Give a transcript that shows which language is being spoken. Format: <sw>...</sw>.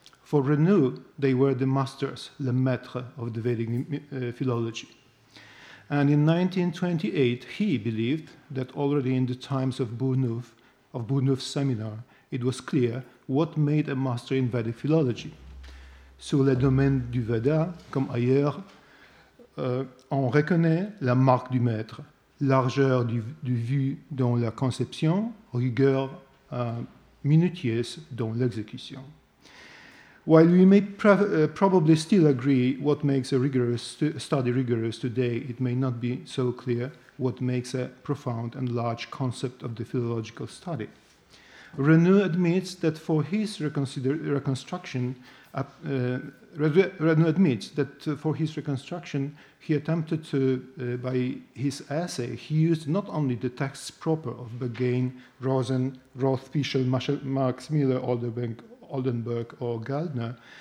<en>For Renou, they were the masters, le maître of the Vedic philology. And in 1928, he believed that already in the times of Bourneuf, of Bourneuf's seminar, it was clear what made a master in Vedic philology.</en> <fr>Sur le domaine du Veda, comme ailleurs, on reconnaît la marque du maître, largeur du vue dans la conception, rigueur minutieuse dans l'exécution.</fr> <en>While we may probably still agree what makes a rigorous study rigorous today, it may not be so clear what makes a profound and large concept of the philological study. Renou admits that for his reconstruction, he attempted to, by his essay, he used not only the texts proper of Bergain, Rosen, Roth, Fischel, Marx, Miller, Oldenburg, or Gardner,</en>